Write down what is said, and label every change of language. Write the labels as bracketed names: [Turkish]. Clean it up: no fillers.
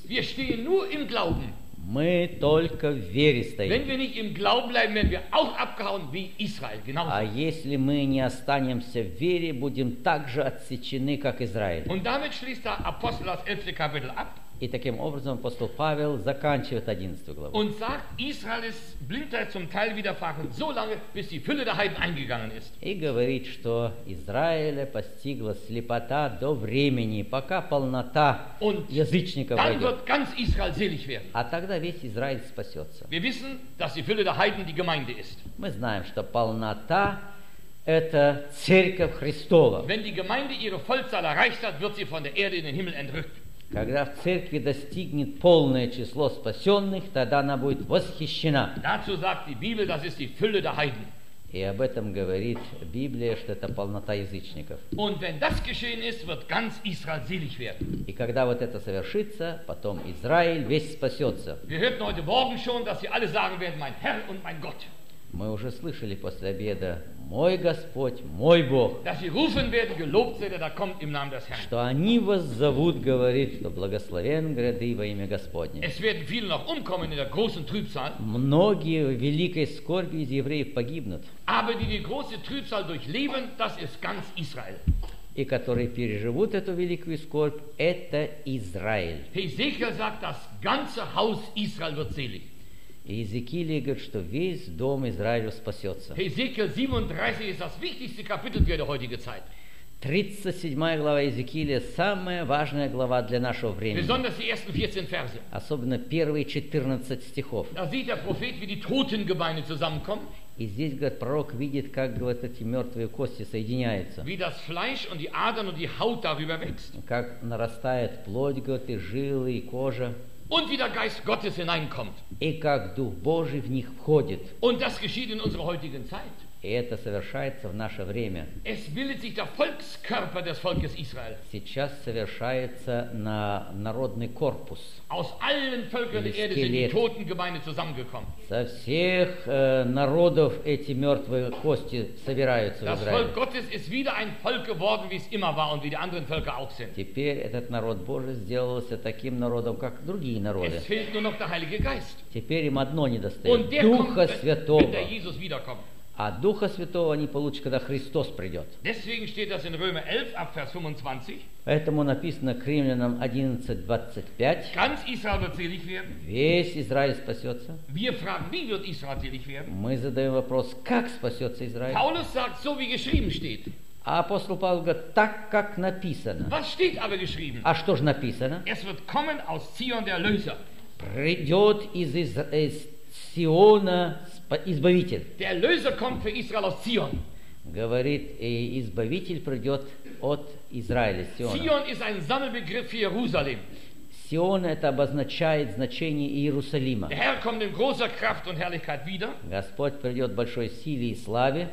[German] Wir stehen nur im Glauben. [Russian] Мы только в вере стоим. [German] Wenn wir nicht im Glauben bleiben, werden wir auch abgehauen wie Israel. Genau. [Russian] А если мы не останемся в вере, будем также отсечены, как Израиль. [German] Und damit schließt der Apostel das 11. Kapitel ab. [Russian] И таким образом апостол Павел заканчивает 11 главу. [German] Und sagt, Israel ist Blindheit zum Teil widerfahren, so lange, bis die Fülle der Heiden eingegangen ist. [Russian] И говорит, что Израиля постигла слепота до времени, пока полнота [German] Und [Russian] язычников войдет. Dann wird ganz Israel selig werden. А тогда весь Израиль спасется. [German] Wir wissen, dass die Fülle der Heiden die Gemeinde ist. [Russian] Мы знаем, что полнота это Церковь Христова. [German] Wenn die Gemeinde ihre Vollzahl erreicht hat, wird sie von der Erde in den Himmel entrückt. [Russian] Когда в церкви достигнет полное число спасенных, тогда она будет восхищена. [German] Dazu sagt die Bibel, das ist die Fülle der Heiden. [Russian] И об этом говорит Библия, что это полнота язычников. [German] Und wenn das geschehen ist, wird ganz Israel selig werden. [Russian] И когда вот это совершится, потом Израиль весь спасется. [German] Wir hörten heute Morgen schon, dass sie alle sagen werden, mein Herr und mein Gott. [Russian] Мы уже слышали после обеда, мой Господь, мой Бог. [German] Dass sie rufen werden, gelobt sei der, der kommt im Namen des Herrn. [Russian] Что они воззовут, говорит, что благословен гряды во имя Господне. [German] Es werden viele noch umkommen in der großen Trübsal. [Russian] Многие в великой скорби из евреев погибнут. [German] Aber die die große Trübsal durchleben, das ist ganz Israel. [Russian] И которые переживут эту великую скорбь, это Израиль. [German] Hesekiel sagt, das ganze Haus Israel wird selig. [Russian] Иезекииль говорит, что весь дом Израиля спасется. [German] Hesekiel 37 ist das wichtigste Kapitel für die heutige Zeit. [Russian] 37 глава Иезекииля самая важная глава для нашего времени. [German] Besonders die ersten 14 Verse. [Russian] Особенно первые 14 стихов. [German] Da sieht der Prophet, wie die Totengebeine zusammenkommen. [Russian] И здесь говорит, пророк видит, как говорит, эти мертвые кости соединяются. [German] Wie das Fleisch und die Adern und die Haut darüber wächst. [Russian] Как нарастает плоть, говорит, и жилы, и кожа. [German] Und wie der Geist Gottes hineinkommt. [Russian] И как Дух Божий в них входит. [German] Und das geschieht in unserer heutigen Zeit. [Russian] И это совершается в наше время. [German] Es bildet sich der Volkskörper des Volkes Israel. [Russian] Сейчас совершается на народный корпус. [German] Aus allen Völkern der Erde sind die Totengebeine zusammengekommen. [Russian] Со всех народов эти мертвые кости собираются в Израиле. [German] Das Volk Gottes ist wieder ein Volk geworden, wie es immer war und wie die anderen Völker auch sind. [Russian] Теперь этот народ Божий сделался таким народом, как другие народы. [German] Es fehlt nur noch der Heilige Geist. [Russian] Теперь им одно недостает – Духа Святого. [German] Wenn der Jesus wiederkommt. [Russian] А Духа Святого они получат, когда Христос придет. [German] Deswegen steht das in Römer 11, ab Vers 25. [Russian] Поэтому написано к Римлянам 11:25. [German] Ganz Israel wird selig werden. [Russian] Весь Израиль спасется. [German] Wir fragen, wie wird Israel selig werden? [Russian] Мы задаем вопрос, как спасется Израиль? [German] Paulus sagt, so wie geschrieben steht. [Russian] А апостол Павел говорит, так как написано. [German] Was steht aber geschrieben? [Russian] А что же написано? [German] Es wird kommen aus Zion der Erlöser. [Russian] Придет из Сиона Избавитель. [German] Der Erlöser kommt für Israel aus Zion. [Russian] Говорит, и Избавитель придет от Израиля, Сиона. [German] Zion ist ein Sammelbegriff für Jerusalem. [Russian] Сион – это обозначает значение Иерусалима. [German] Der Herr kommt in großer Kraft und Herrlichkeit wieder. [Russian] Господь придет в большой силе и славе.